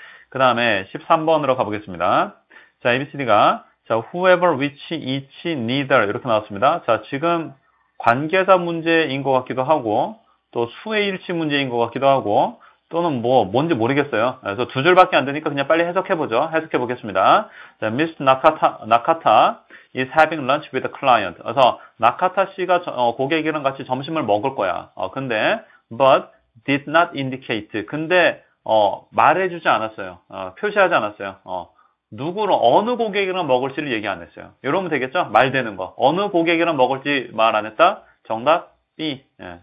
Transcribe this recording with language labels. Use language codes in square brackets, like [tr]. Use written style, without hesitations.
[ko] 그 다음에 13번으로 가보겠습니다. 자, ABCD가 자, whoever, which, each, neither 이렇게 나왔습니다. 자, 지금 관계사 문제인 것 같기도 하고 또 수의일치 문제인 것 같기도 하고 또는 뭐 뭔지 모르겠어요. 그래서 두 줄밖에 안 되니까 그냥 빨리 해석해보죠. 해석해보겠습니다. [en] 자, Miss Nakata is having lunch with a client. [ko] 그래서 나카타 씨가 고객이랑 같이 점심을 먹을 거야. 근데 [en] but did not indicate. [ko] 근데 말해주지 않았어요. 표시하지 않았어요. 누구를 어느 고객이랑 먹을지를 얘기 안 했어요. 이러면 되겠죠? 말 되는 거. 어느 고객이랑 먹을지 말안 했다? 정답 B. 예.